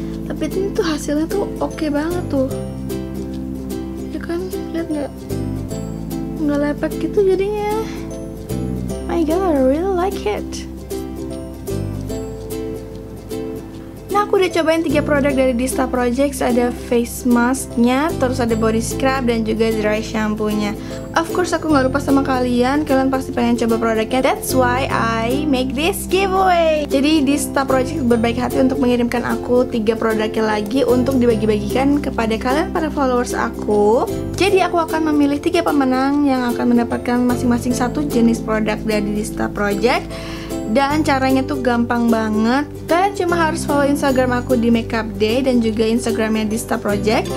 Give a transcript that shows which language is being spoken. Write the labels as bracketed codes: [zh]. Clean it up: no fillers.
[id] Tapi ini tuh hasilnya tuh okay banget tuh. Ya kan, lihat gak lepek gitu jadinya. [en] Oh my god, I really like it. [id] Aku udah cobain 3 produk dari Dista Projects. Ada face masknya, terus ada body scrub, dan juga dry shampoo-nya. Of course aku gak lupa sama kalian, kalian pasti pengen coba produknya. [en] That's why I make this giveaway. [id] Jadi Dista Projects berbaik hati untuk mengirimkan aku 3 produknya lagi untuk dibagi-bagikan kepada kalian, para followers aku. Jadi aku akan memilih 3 pemenang yang akan mendapatkan masing-masing satu jenis produk dari Dista Projects. Dan caranya tuh gampang banget. Kalian cuma harus follow Instagram aku di Makeup Day dan juga Instagramnya Dista Project.